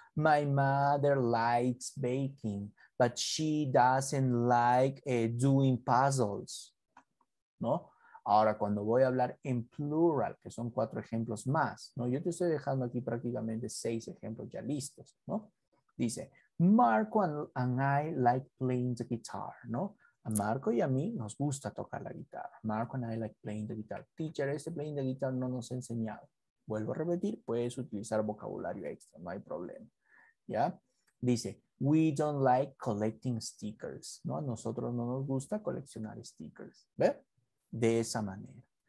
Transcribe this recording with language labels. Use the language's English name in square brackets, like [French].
[English] My mother likes baking, but she doesn't like doing puzzles, ¿no? [Spanish] Ahora, cuando voy a hablar en plural, que son cuatro ejemplos más, ¿no? Yo te estoy dejando aquí prácticamente seis ejemplos ya listos, ¿no? [English] Dice, Marco and I like playing the guitar, ¿no? [Spanish] A Marco y a mí nos gusta tocar la guitarra. [English] Marco and I like playing the guitar. Teacher, este playing the guitar [Spanish] no nos ha enseñado. Vuelvo a repetir, puedes utilizar vocabulario extra, no hay problema. ¿Ya? [English] Dice, we don't like collecting stickers. ¿No? [Spanish] A nosotros no nos gusta coleccionar stickers. ¿Ve? De esa manera.